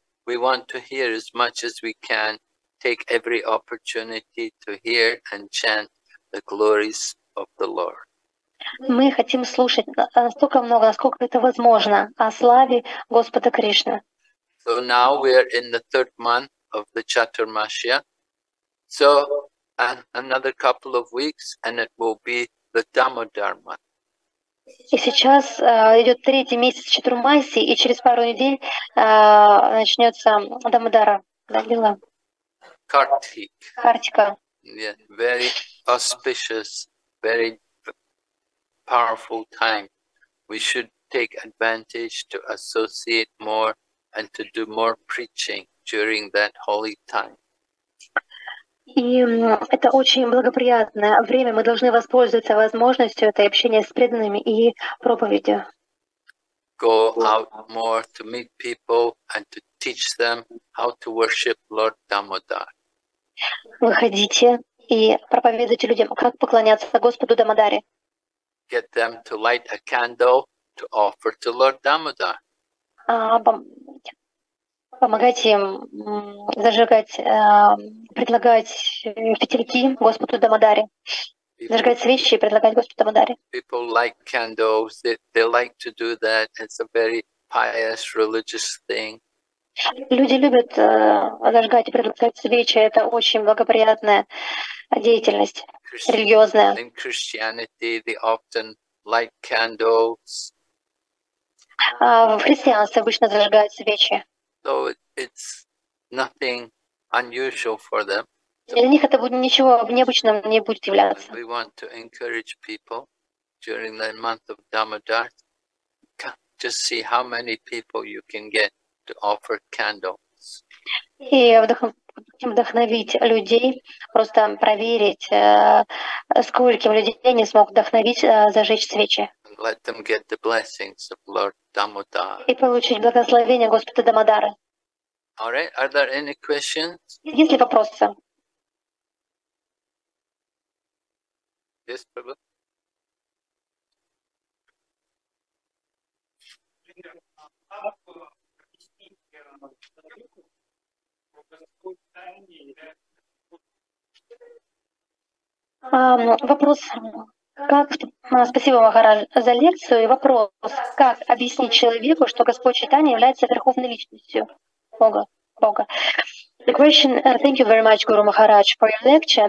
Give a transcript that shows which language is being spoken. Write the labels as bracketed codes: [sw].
[en] We want to hear as much as we can, take every opportunity to hear and chant the glories of the Lord. [ru] Мы хотим слушать настолько много, насколько это возможно, о славе Господа Кришны. [en] So now we are in the third month of the Chaturmasya. So another couple of weeks, and it will be the Damodar month. [ru] И сейчас идет третий месяц Чатурмаси, и через пару недель начнется Дамодара. Дамила. Картика. [en] Yeah, very auspicious, very powerful time. We should take advantage to associate more and to do more preaching during that holy time. [ru] И это очень благоприятное время. Мы должны воспользоваться возможностью этой общения с преданными и проповедью. [en] Go out more to meet people and to teach them how to worship Lord Damodar. [ru] Выходите и проповедуйте людям, как поклоняться Господу Дамодаре. [en] Get them to light a candle to offer to Lord Damodar. [ru] Помогать им зажигать, предлагать фитильки Господу Дамодаре. Зажигать свечи и предлагать Господу Дамодаре. [en] People like candles. They like to do that. It's a very pious religious thing. [ru] Люди любят зажигать и предлагать свечи. Это очень благоприятная деятельность. Религиозная. [en] In Christianity, they often light candles. [ru] В христианстве обычно зажигают свечи. [en] So it's nothing unusual for them. [ru] Для них это будет ничего необычным не будет являться. [en] We want to encourage people during the month of Damodar. Just see how many people you can get to offer candles. [ru] И вдохновить людей, просто проверить, скольким людей они смогут вдохновить зажечь свечи. [en] Let them get the blessings of Lord Damodar. [ru] И получить благословение Господа Дамодары. [en] All right, are there any questions? [ru] Есть ли вопросы? [en] Yes, Prabhu. [ru] Вопрос. Как, спасибо, Махарадж, за лекцию. И вопрос. Как объяснить человеку, что Господь Чайтанья является верховной личностью Бога? [en] The question, thank you very much, Guru Maharaj, for your lecture.